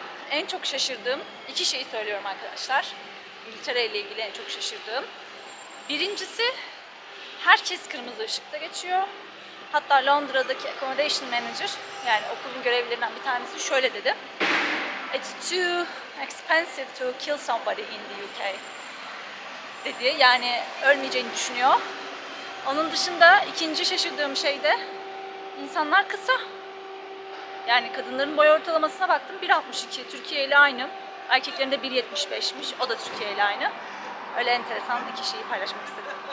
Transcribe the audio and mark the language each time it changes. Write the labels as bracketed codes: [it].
[tr] En çok şaşırdığım iki şeyi söylüyorum arkadaşlar. İngiltere ile ilgili en çok şaşırdığım. Birincisi, herkes kırmızı ışıkta geçiyor. Hatta Londra'daki accommodation manager, yani okulun görevlilerinden bir tanesi şöyle dedi. [en] It's too expensive to kill somebody in the UK. [tr] Dedi. Yani ölmeyeceğini düşünüyor. Onun dışında ikinci şaşırdığım şey de insanlar kısa. Yani kadınların boy ortalamasına baktım, 1.62. Türkiye ile aynı. Erkeklerin de 1.75'miş, o da Türkiye ile aynı. Öyle enteresan iki şeyi paylaşmak istedim.